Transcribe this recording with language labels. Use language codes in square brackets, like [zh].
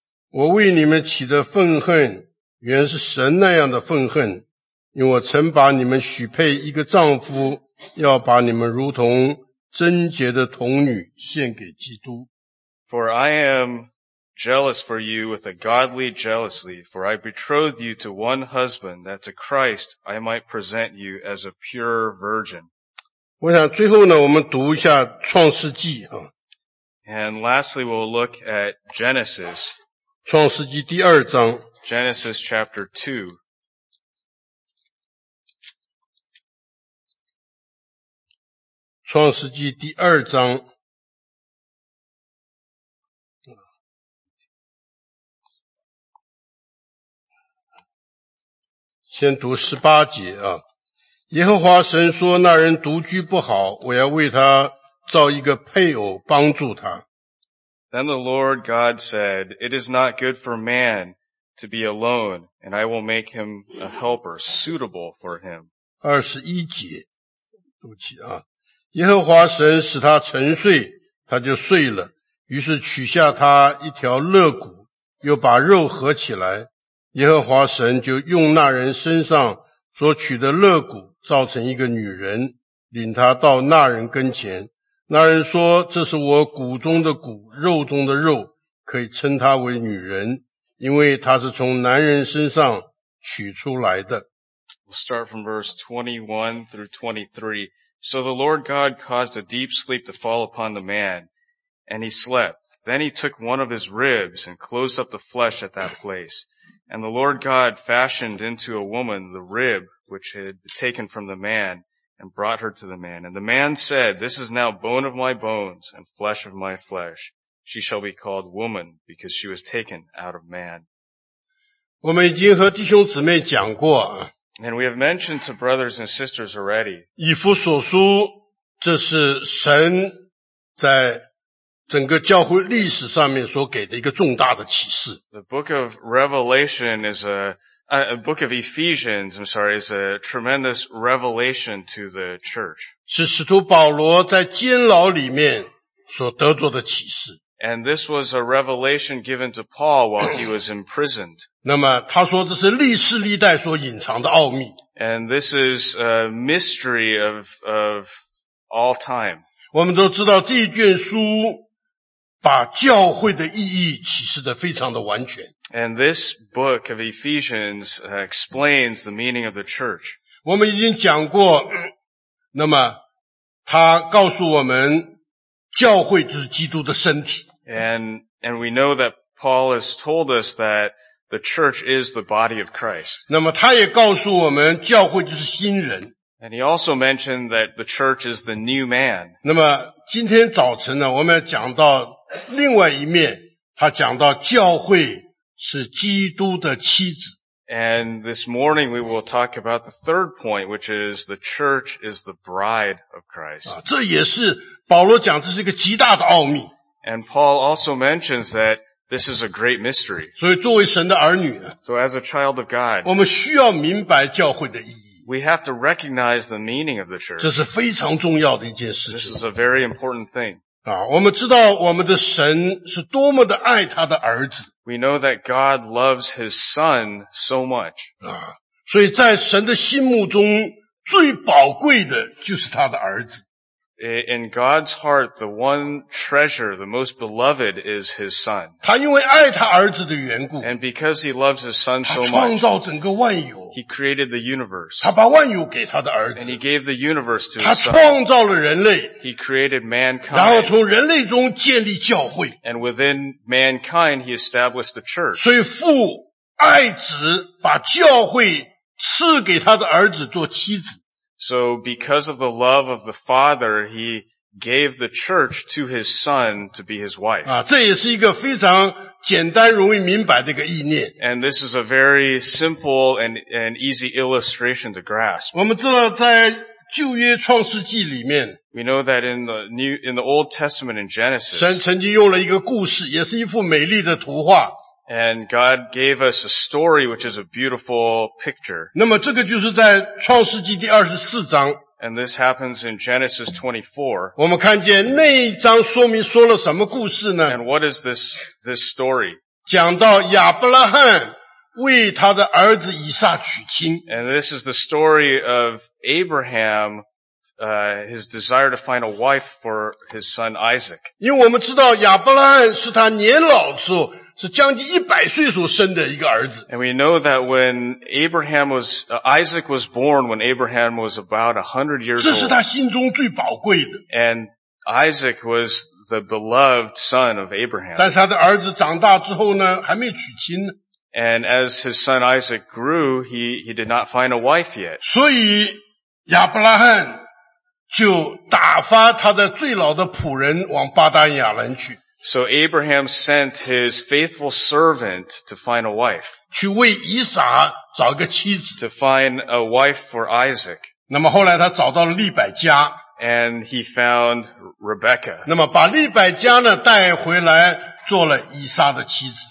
[zh] 我为你们起的愤恨原是神那样的愤恨，因为我曾把你们许配一个丈夫，要把你们如同贞洁的童女献给基督。 [en] For I am jealous for you with a godly jealousy, for I betrothed you to one husband, that to Christ I might present you as a pure virgin. [zh] 我想最后呢，我们读一下创世纪啊。 [en] And lastly, we'll look at Genesis. [zh] 创世纪第二章。 [en] Genesis chapter 2. [zh] 创世纪第二章先读十八节啊。耶和华神说，那人独居不好，我要为他造一个配偶帮助他。 Then the Lord God said, It is not good for man to be alone, and I will make him a helper suitable for him. 二十一节，对不起啊。耶和华神使他沉睡，他就睡了，于是取下他一条肋骨，又把肉合起来。耶和华神就用那人身上所取的肋骨造成一个女人，领他到那人跟前。那人说，这是我骨中的骨，肉中的肉，可以称她为女人，因为她是从男人身上取出来的。 [en] We'll start from verse 21 through 23. So the Lord God caused a deep sleep to fall upon the man, and he slept. Then he took one of his ribs and closed up the flesh at that place. And the Lord God fashioned into a woman the rib which had been taken from the man and brought her to the man. And the man said, This is now bone of my bones and flesh of my flesh. She shall be called woman because she was taken out of man. [zh] 我们已经和弟兄姊妹讲过啊。 [en] And we have mentioned to brothers and sisters already. [zh] 以弗所书，这是神在整个教会历史上面所给的一个重大的启示。 [en] The book of Revelation is a book of Ephesians, I'm sorry, is a tremendous revelation to the church. [zh] 是使徒保罗在监牢里面所得着的启示。 [en] And this was a revelation given to Paul while he was imprisoned. [zh] 那么他说这是历世历代所隐藏的奥秘。 [en] And this is a mystery of all time. [zh] 我们都知道这一卷书把教会的意义启示得非常的完全。 [en] And this book of Ephesians explains the meaning of the church. [zh] 我们已经讲过，那么他告诉我们教会就是基督的身体。 [en] And we know that Paul has told us that the church is the body of Christ. [zh] 那么他也告诉我们教会就是新人。 [en] And he also mentioned that the church is the new man. [zh] 那么今天早晨呢，我们要讲到另外一面，他讲到教会是基督的妻子。 [en] And this morning we will talk about the third point, which is the church is the bride of Christ. [zh] 这也是保罗讲这是一个极大的奥秘。 [en] And Paul also mentions that this is a great mystery. [zh] 所以作为神的儿女呢， [en] So as a child of God, [zh] 我们需要明白教会的意义。 [en] We have to recognize the meaning of the church. [zh] 这是非常重要的一件事情。 [en] This is a very important thing. [zh] 我们知道我们的神是多么的爱他的儿子。 [en] We know that God loves his son so much. [zh] 所以在神的心目中最宝贵的就是他的儿子。 [en] In God's heart, the one treasure, the most beloved is his son. [zh] 他因为爱他儿子的缘故。 [en] And because he loves his son so much. [zh] 他创造整个万有。 [en] He created the universe. [zh] 他把万有给他的儿子。 [en] And he gave the universe to his son. [zh] 他创造了人类。 [en] He created mankind. [zh] 然后从人类中建立教会。 [en] And within mankind, he established the church. [zh] 所以父爱子把教会赐给他的儿子做妻子。 [en] So because of the love of the Father, he gave the church to his son to be his wife. [zh] 这也是一个非常简单容易明白的一个意念。 [en] And this is a very simple and easy illustration to grasp. [zh] 我们知道在旧约创世纪里面， [en] We know that in the Old Testament in Genesis, [zh] 神曾经用了一个故事，也是一幅美丽的图画。 [en] And God gave us a story which is a beautiful picture. [zh] 那么这个就是在创世纪第二十四章。 [en] And this happens in Genesis 24. [zh] 我们看见那一章说明说了什么故事呢？ [en] And what is this story? [zh] 讲到亚伯拉罕为他的儿子以撒娶亲。 [en] And this is the story of Abraham his desire to find a wife for his son Isaac. [zh] 因为我们知道亚伯拉罕是他年老之后是将近100岁所生的一个儿子。 [en] And we know that when Abraham was, Isaac was born when Abraham was about 100 years old. [zh] 这是他心中最宝贵的。 [en] And Isaac was the beloved son of Abraham. [zh] 但是他的儿子长大之后呢还没娶亲呢。 [en] And as his son Isaac grew, he did not find a wife yet. [zh] 所以亚伯拉罕就打发他的最老的仆人往巴旦亚兰去。 [en] So Abraham sent his faithful servant to find a wife. [zh] 去为以撒找个妻子。 [en] To find a wife for Isaac. [zh] 那么后来他找到了利百加。 [en] And he found Rebecca. [zh] 那么把利百加呢带回来做了以撒的妻子。